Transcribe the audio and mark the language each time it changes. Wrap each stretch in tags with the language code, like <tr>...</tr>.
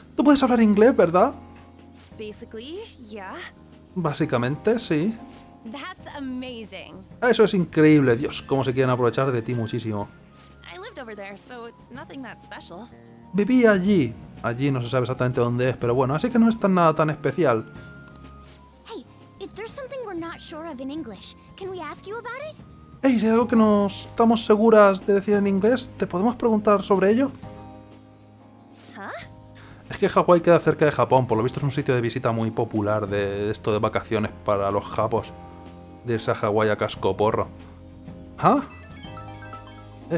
<es>Tú puedes hablar inglés, ¿verdad?</es> <en>Basically, yeah.</en> <es>Básicamente, sí.</es> <en>That's amazing.</en> <es>Eso es increíble. Dios, cómo se quieren aprovechar de ti muchísimo.</es> <en>I lived over there, so it's nothing that special.</en> <es>Viví allí. Allí no se sabe exactamente dónde es, pero bueno, así que no es tan nada tan especial.</es> <en>Hey, if there's something we're not sure of in English, can we ask you about it?</en> <es>Hey, si hay algo que no estamos seguras de decir en inglés, ¿te podemos preguntar sobre ello? Huh? Es que Hawái queda cerca de Japón, por lo visto es un sitio de visita muy popular de esto de vacaciones para los japos. De esa Hawái a casco porro. ¿Ah? ¿Huh?</es>